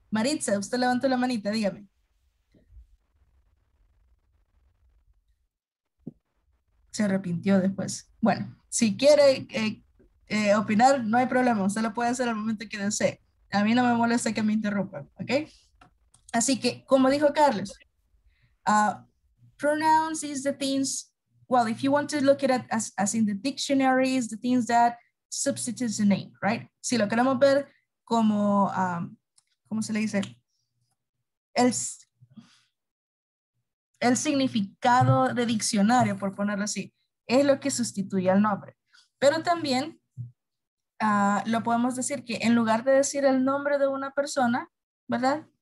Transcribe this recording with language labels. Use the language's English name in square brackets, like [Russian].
[Spanish] Maritza, usted levantó la manita, dígame. Se arrepintió después. Bueno, si quiere opinar, no hay problema. Usted lo puede hacer al momento que desee. A mí no me molesta que me interrumpan, ¿ok? Así que, como dijo Carlos, [English] pronouns is the things, well, if you want to look at it as in the dictionary, is the things that substitutes the name, right? [Spanish] Si lo queremos ver como, ¿cómo se le dice? El significado de diccionario, por ponerlo así, es lo que sustituye al nombre. Pero también lo podemos decir que en lugar de decir el nombre de una persona, ¿verdad?